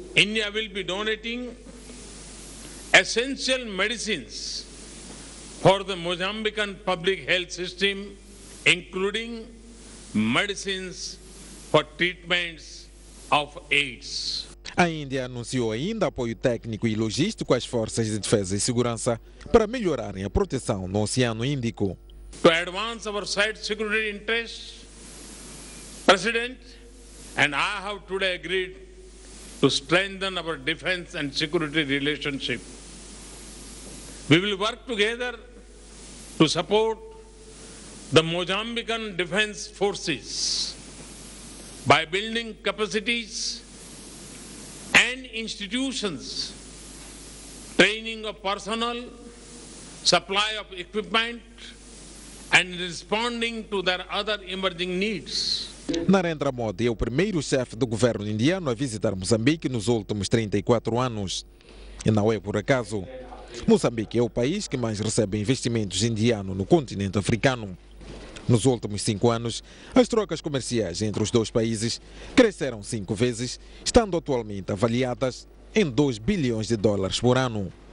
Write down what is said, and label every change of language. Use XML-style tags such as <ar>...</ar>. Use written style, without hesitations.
<en>India will be donating essential medicines for the Mozambican public health system, including medicines for treatments of AIDS.</en> <pt>A Índia anunciou ainda apoio técnico e logístico às forças de defesa e segurança para melhorarem a proteção no Oceano Índico.</pt> <en>To advance our side security interests, President, and I have today agreed to strengthen our defense and security relationship. We will work together to support the Mozambican defense forces by building capacities and institutions, training of personnel, supply of equipment, and responding to their other emerging needs.</en> <pt>Narendra Modi é o primeiro chefe do governo indiano a visitar Moçambique nos últimos 34 anos. E não é por acaso. Moçambique é o país que mais recebe investimentos indianos no continente africano. Nos últimos 5 anos, as trocas comerciais entre os dois países cresceram 5 vezes, estando atualmente avaliadas em 2 bilhões de dólares por ano.</pt>